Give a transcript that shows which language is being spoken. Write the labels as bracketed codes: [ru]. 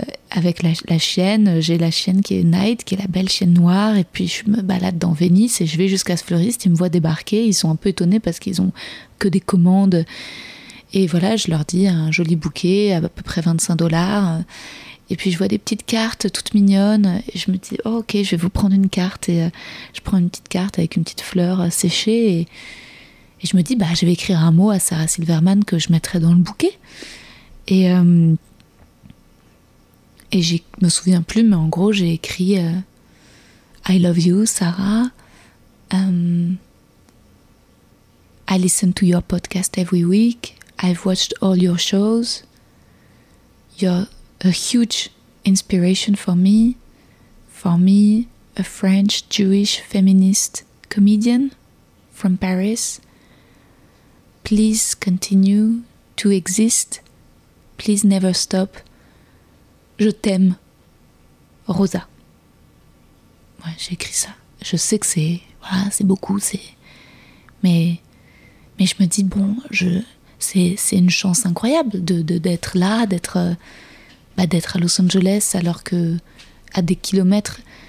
[fr] Avec la chienne, j'ai la chienne qui est Night, qui est la belle chienne noire, et puis je me balade dans Venise et je vais jusqu'à ce fleuriste, ils me voient débarquer, ils sont un peu étonnés parce qu'ils ont que des commandes, et voilà, je leur dis un joli bouquet à peu près 25$, et puis je vois des petites cartes toutes mignonnes, et je me dis oh, ok, je vais vous prendre une carte, et je prends une petite carte avec une petite fleur séchée, et je me dis je vais écrire un mot à Sarah Silverman que je mettrai dans le bouquet, et je me souviens plus, mais en gros, j'ai écrit « [en] I love you, Sarah. I listen to your podcast every week. I've watched all your shows. You're a huge inspiration for me. For me, a French Jewish feminist comedian from Paris. Please continue to exist. Please never stop. [fr] Je t'aime, Rosa. » Ouais, j'ai écrit ça. Je sais que c'est, voilà, c'est beaucoup, c'est. Mais je me dis c'est une chance incroyable de d'être là, d'être à Los Angeles alors que à des kilomètres.